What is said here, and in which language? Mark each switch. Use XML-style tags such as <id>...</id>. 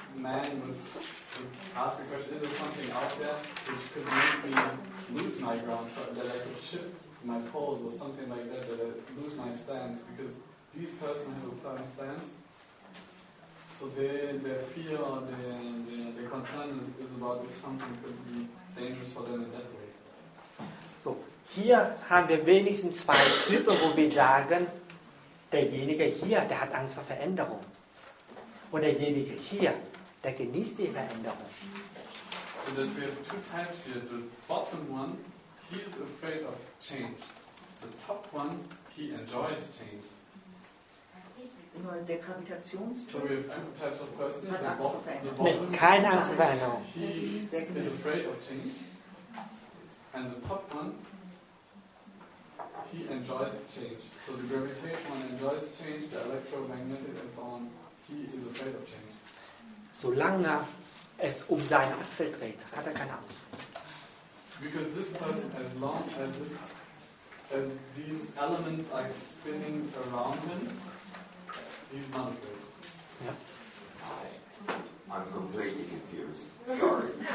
<en>man would ask the question, is there something out there which could make me lose my ground, so that I could shift my poles or something like that, that I lose my stance, because these persons have a firm stance, so their fear or their concern is about if something could be dangerous for them in that way.</en> <de>So, hier haben wir wenigstens zwei Typen, wo wir sagen, derjenige hier, der hat Angst vor Veränderung. Und derjenige hier, der genießt die Veränderung.</de> <en>So that we have two types here. The bottom one, he is afraid of change. The top one, he enjoys change.</en> <de>Nur der Gravitationstyp.</de> <en>So we have two types of persons.</en> <de>Hat Angst vor Veränderung. Nee, keine Angst vor Veränderung.</de> <en>He is afraid of change. And the top one, he enjoys change. So the gravitation one enjoys change, the electromagnetic and so on. He is afraid of change.</en> <de>Solange es um seine Achsel dreht, hat er keine Angst.</de> <en>Because this person, as long as these elements are spinning around him, he's not afraid. Yeah. I'm completely confused. Sorry.</en>